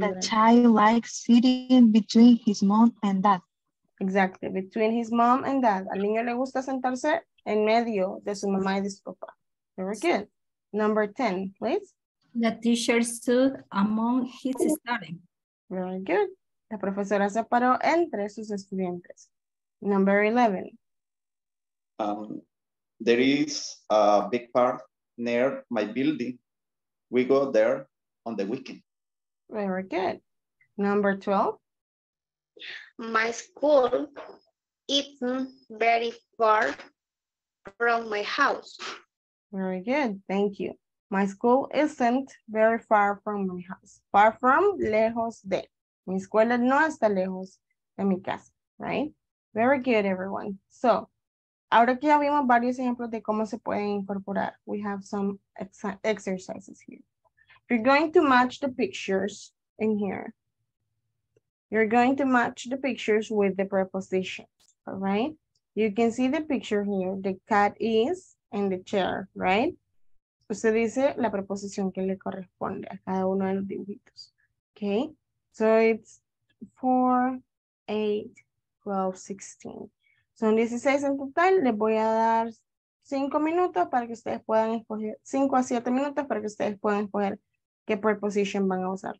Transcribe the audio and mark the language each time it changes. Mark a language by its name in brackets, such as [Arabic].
[English] The child likes sitting between his mom and dad. Exactly, between his mom and dad. [Spanish] Al niño le gusta sentarse en medio de su mamá y de su papá. [English] Very good. Number 10, please. The teacher stood among his students. Very good. [Spanish] La profesora se paró entre sus estudiantes. [English] Number 11. There is a big park near my building. We go there on the weekend. Very good. Number 12. My school isn't very far from my house. Very good. Thank you. My school isn't very far from my house. Far from, [Spanish] lejos de. Mi escuela no está lejos de mi casa, [English] right? Very good, everyone. [Spanish] So, ahora que ya vimos varios ejemplos de cómo se pueden incorporar, [English] we have some exercises here. You're going to match the pictures in here. You're going to match the pictures with the prepositions, all right? You can see the picture here, the cat is in the chair, right? [Spanish] Usted dice la preposición que le corresponde a cada uno de los dibujitos, okay? [English] So it's 4, 8, 12, 16. [Spanish] Son 16 en total, les voy a dar 5 minutos para que ustedes puedan escoger, 5 a 7 minutos para que ustedes puedan escoger qué preposición van a usar.